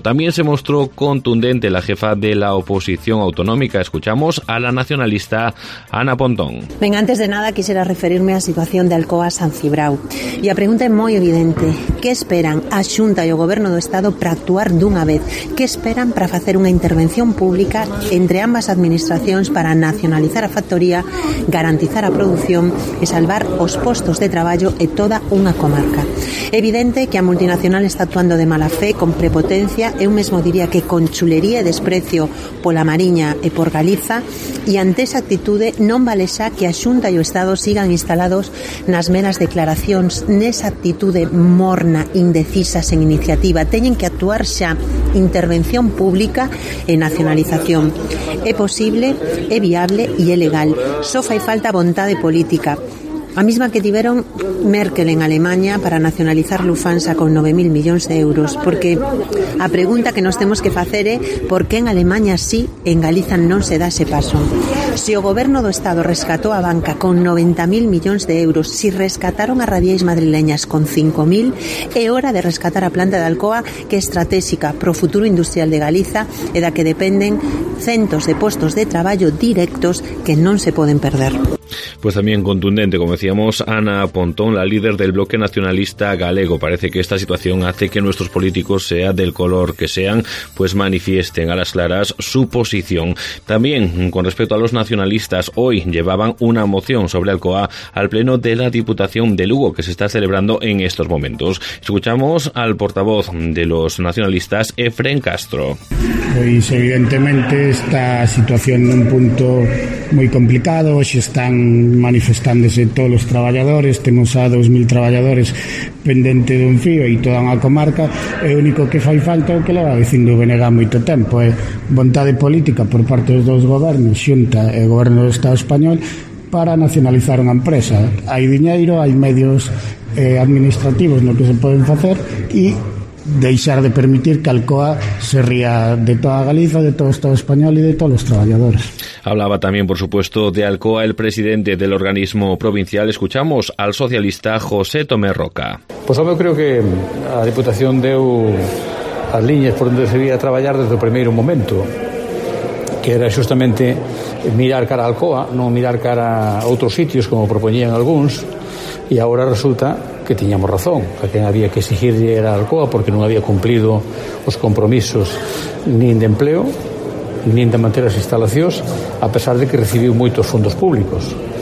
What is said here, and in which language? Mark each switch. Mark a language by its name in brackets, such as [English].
[Spanish] También se mostró contundente la jefa de la oposición autonómica. Escuchamos a la nacionalista Ana Pontón. Venga, antes de nada quisiera referirme a la situación de Alcoa San Cibrao. Y a pregunta muy evidente. [Galician] ¿Qué esperan a Xunta y o Goberno do Estado para actuar dunha vez? ¿Qué esperan para facer unha intervención pública entre ambas administracións para nacionalizar a factoría, garantizar a producción e salvar os postos de traballo e toda unha comarca? Evidente que a multinacional está actuando de mala fe, con prepotencia, eu mesmo diría que con chulería e desprecio pola Mariña e por Galiza, e ante esa actitude non vale xa que a Xunta e o Estado sigan instalados nas meras declaracións, nesa actitude morna, indecisa, sen iniciativa. Teñen que actuar xa, intervención pública e nacionalización. É posible, é viable e é legal. Só fai falta vontade política. A mesma que tiveron Merkel en Alemania para nacionalizar Lufthansa con 9.000 millóns de euros. Porque a pregunta que nos temos que facer é por que en Alemania sí, en Galiza non se dá ese paso. Se o goberno do Estado rescatou a banca con 90.000 millóns de euros, se rescataron as radiais madrileñas con 5.000, é hora de rescatar a planta de Alcoa, que é estratégica pro futuro industrial de Galiza e da que dependen centos de postos de traballo directos que non se poden perder. [Spanish] Pues también contundente, como decíamos, Ana Pontón, la líder del bloque nacionalista galego. Parece que esta situación hace que nuestros políticos, sea del color que sean, pues manifiesten a las claras su posición. También, con respecto a los nacionalistas, hoy llevaban una moción sobre Alcoa al pleno de la Diputación de Lugo, que se está celebrando en estos momentos. Escuchamos al portavoz de los nacionalistas, Efren Castro. Pues evidentemente esta situación en un punto muy complicado, si está manifestándose [Galician] todos os traballadores, temos a 2.000 traballadores pendente dun fío e toda unha comarca, e o único que fai falta é o que leva dicindo BNG moito tempo, é vontade política por parte dos dous gobernos, Xunta e Goberno do Estado Español, para nacionalizar unha empresa. Hai diñeiro, hai medios administrativos no que se poden facer, e deixar de permitir que Alcoa se ría de toda Galiza, de todo o Estado Español e de todos os traballadores. [Spanish] Hablaba también, por supuesto, de Alcoa el presidente del organismo provincial. Escuchamos al socialista José Tomé Roca. [Galician] Pues eu creo que a Diputación deu as liñas por onde debía traballar desde o primeiro momento, que era justamente mirar cara a Alcoa, non mirar cara a outros sitios, como propoñían algúns, e agora resulta que tiñamos razón, a quen había que exigirle era Alcoa, porque non había cumplido os compromisos nin de empleo, nin de manter as instalacións, a pesar de que recibiu moitos fondos públicos.